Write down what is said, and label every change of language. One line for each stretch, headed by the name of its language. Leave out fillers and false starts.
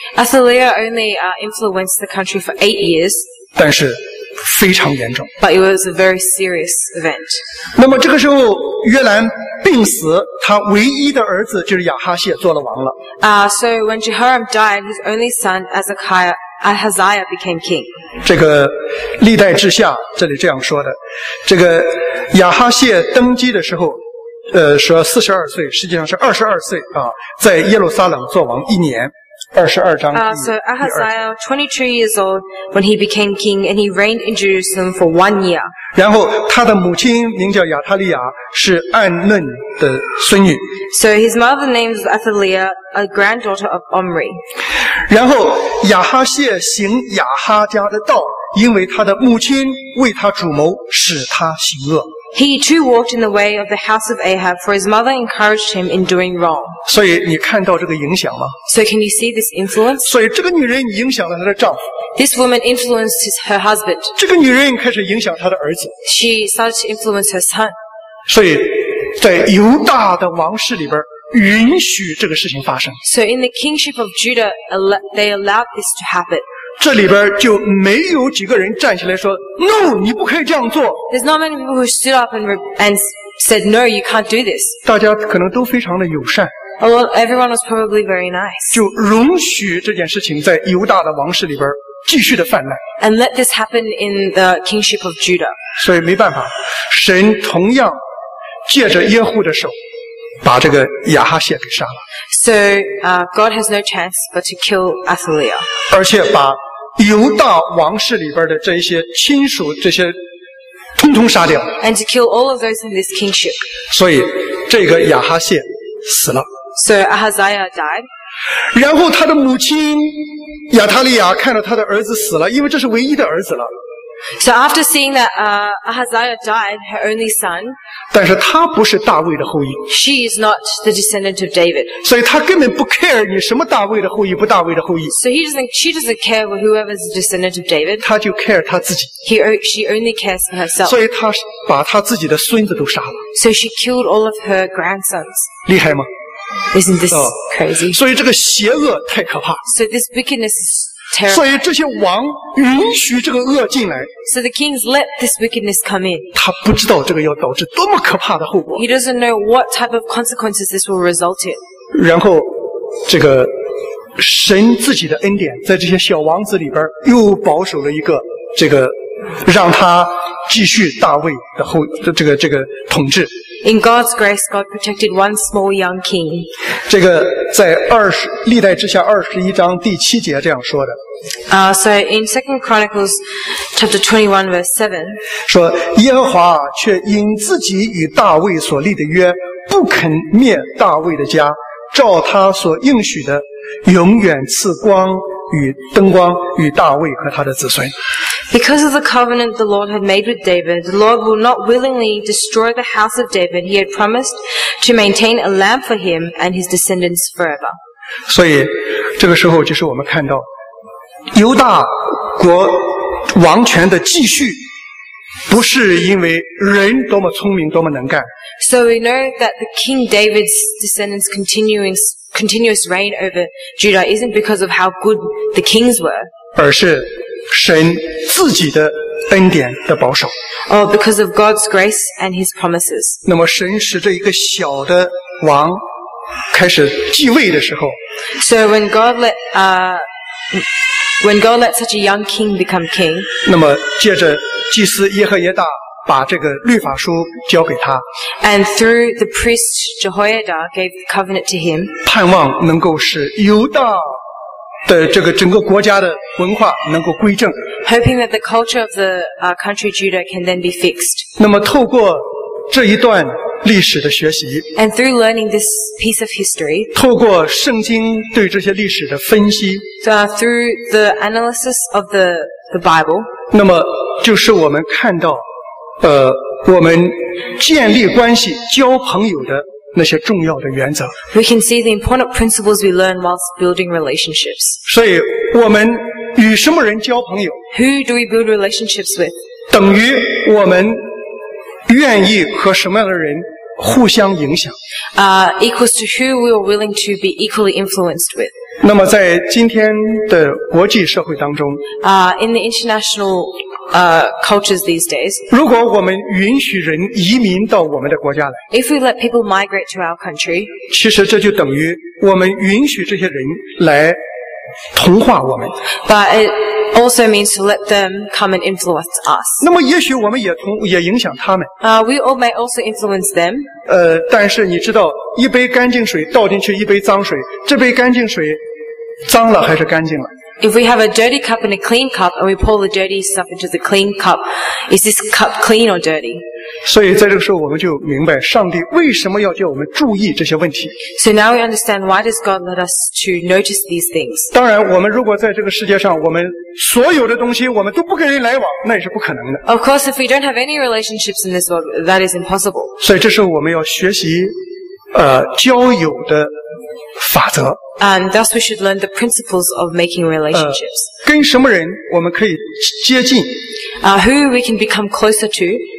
English: Athaliah only influenced the country for 8 years.
Chinese: 但是非常严重。
English: But it was a very serious event.
Chinese: 那么这个时候约兰病死，他唯一的儿子就是亚哈谢做了王了。
English: So when Jehoram died, his only son Ahaziah became king.
Chinese: 这个历代志下这里这样说的，这个亚哈谢登基的时候说42岁，实际上是22岁啊，在耶路撒冷做王一年。
English: So Ahaziah, 22 years old when he became king, and he reigned in Jerusalem for 1 year.
Chinese: 然后他的母亲名叫亚塔利亚，是暗嫩的孙女。
English: So his mother name is Athaliah, a granddaughter of Omri.
Chinese: 然后亚哈谢行亚哈家的道，因为他的母亲为他主谋，使他行恶。
English: He too walked in the way of the house of Ahab, for his mother encouraged him in doing wrong.
Chinese: 所以你看到这个影响吗？
English: So can you see this influence?
Chinese: 所以这个女人影响了她的丈夫。
English: This woman influenced her husband.
Chinese: 这个女人开始影响她的儿子。
English: She started to influence her son.
Chinese: 所以在犹大的王室里边允许这个事情发生。
English: So in the kingship of Judah, they allowed this to happen.
Chinese: 这里边就没有几个人站起来说 No, 你不可以这样做。
English: There's not many people who stood up and said, No, you can't do this.
Chinese: 大家可能都非常的友善。
English: Well, everyone was probably very nice.
Chinese: 就容许这件事情在犹大的王室里边继续的泛滥。
English: And let this happen in the kingship of Judah.
Chinese: 所以没办法，神同样借着耶户的手把这个亚哈谢给杀了。
English: So, God has no chance but to kill Athaliah.
Chinese: 而且把犹大王室里边的这些亲属这些通通杀掉。
English: And to kill all of those in this kingship.
Chinese: 所以这个亚哈谢死了。
English: So Ahaziah died.
Chinese: 然后他的母亲亚塔利亚看到他的儿子死了，因为这是唯一的儿子了。
English: So after seeing that Ahaziah died, her only son,
Chinese: 但是她不是大卫的后裔。
English: She is not the descendant of David.
Chinese: 所以她根本不 care 你什么大卫的后裔不大卫的后裔。
English: So she doesn't care with whoever is the descendant of David.
Chinese: 她就 care 她自己。
English: She only cares for herself.
Chinese: 所以她把她自己的孙子都杀了。
English: So she killed all of her grandsons.
Chinese: 厉害吗？
English: Isn't this crazy?
Chinese: 所以这个邪恶太可怕。
English: So this wickedness is terrible.
Chinese: 所以这些王允许这个恶进来。
English: So the kings let this wickedness come in.
Chinese: 他不知道这个要导致多么可怕的后果。
English: He doesn't know what type of consequences this will result in.
Chinese: 然后这个神自己的恩典在这些小王子里边又保守了一个这个让他继续大卫的后这个统治。
English: In God's grace, God protected one small young king.
Chinese: 这个在历代之下21章第七节这样说的。
English: So in 2 Chronicles chapter 21 verse 7.
Chinese: 说耶和华却因自己与大卫所立的约不肯灭大卫的家，照他所应许的永远赐光与灯光与大卫和他的子孙。
English: Because of the covenant the Lord had made with David, the Lord will not willingly destroy the house of David. He had promised to maintain a lamp for him and his descendants forever.
Chinese: 所以这个时候就是我们看到犹大国王权的继续不是因为人多么聪明多么能干。
English: So we know that the King David's descendants continuous reign over Judah isn't because of how good the kings were.
Chinese: 而是神自己的恩典的保守。
English: Oh, because of God's grace and His promises.
Chinese: 那么神使这一个小的王开始继位的时候。
English: So when God let such a young king become king.
Chinese: 那么借着祭司耶和耶大把这个律法书交给他。
English: And through the priest Jehoiada gave the covenant to him.
Chinese: 盼望能够使犹大的这个整个国家的文化能够归正。
English: Hoping that the culture of the country Judah can then be fixed.
Chinese: 那么透过这一段历史的学习。
English: And through learning this piece of history.
Chinese: 透过圣经对这些历史的分析。
English: Through the analysis of the Bible.
Chinese: 那么就是我们看到我们建立关系交朋友的那些重要的原则。
English: We can see the important principles we learn whilst building relationships.
Chinese: 所以我们与什么人交朋友？
English: Who do we build relationships with?
Chinese: 等于我们愿意和什么样的人互相影响。
English: Equals to who we are willing to be equally influenced with.
Chinese: 那么在今天的国际社会当中，
English: In the international cultures these days.
Chinese: 如果我们允许人移民到我们的国家来，
English: If we let people migrate to our country,
Chinese: 其实这就等于我们允许这些人来同化我们。
English: But it also means to let them come and influence us.
Chinese: 那么也许我们也影响他们。
English: We all may also influence them.
Chinese: 但是你知道，一杯干净水倒进去一杯脏水，这杯干净水脏了还是干净了？
English: If we have a dirty cup and a clean cup, and we pour the dirty stuff into the clean cup, is this cup clean or dirty?
Chinese: 所以在这个时候我们就明白上帝为什么要叫我们注意这些问题。
English: So now we understand why does God let us to notice these things.
Chinese: 当然我们如果在这个世界上我们所有的东西我们都不跟人来往，那也是不可能的。
English: Of course, if we don't have any relationships in this world, that is impossible.
Chinese: 所以这时候我们要学习交友的法则。
English: And thus we should learn the principles of making relationships.
Chinese: 跟什么人我们可以接近？
English: Who we can become closer to?